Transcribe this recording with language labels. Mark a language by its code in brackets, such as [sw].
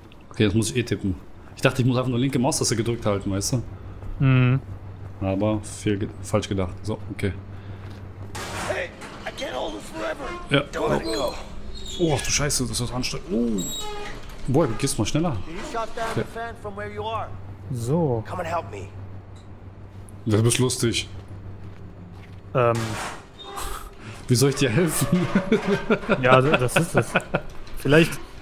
[de] Okay, jetzt muss ich eh tippen. Ich dachte, ich muss einfach nur linke Maustaste gedrückt halten, weißt du? Aber falsch gedacht. So, okay. [en] Hey, I can't hold it forever. [de] Ja. [en] Don't let it go. [de] Oh, ach du Scheiße, das ist anstrengend. Boah, du gehst mal schneller. Okay. So. [en] Come and help me. [de] Du bist lustig. Wie soll ich dir helfen? Ja, das ist es. Vielleicht.